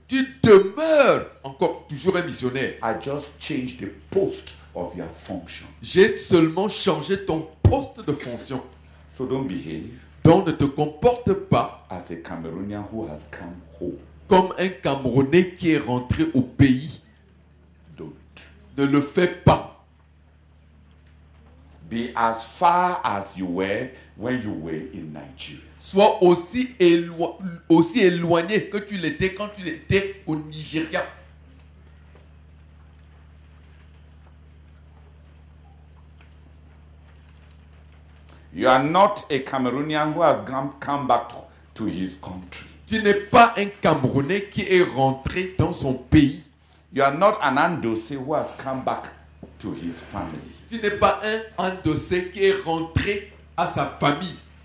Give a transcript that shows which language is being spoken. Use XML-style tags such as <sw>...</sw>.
<fr>Tu demeures encore toujours un missionnaire.</fr> <en>I just changed the post of your function.</en> <fr>J'ai seulement changé ton poste de fonction.</fr> <en>So don't behave.</en> <fr>Donc ne te comporte pas</fr> <en>as a Cameroonian who has come home.</en> <fr>Comme un Camerounais qui est rentré au pays.</fr> <en>Don't.</en> <fr>Ne le fais pas.</fr> <en>Be as far as you were when you were in Nigeria.</en> <fr>Sois aussi éloigné que tu l'étais quand tu étais au Nigeria.</fr> <en>You are not a Cameroonian who has come back to his country.</en> <fr>Tu n'es pas un Camerounais qui est rentré dans son pays.</fr> <en>You are not an Andossé who has come back to his family.</en> <fr>Tu n'es pas un Andossé qui est rentré à sa famille.</fr>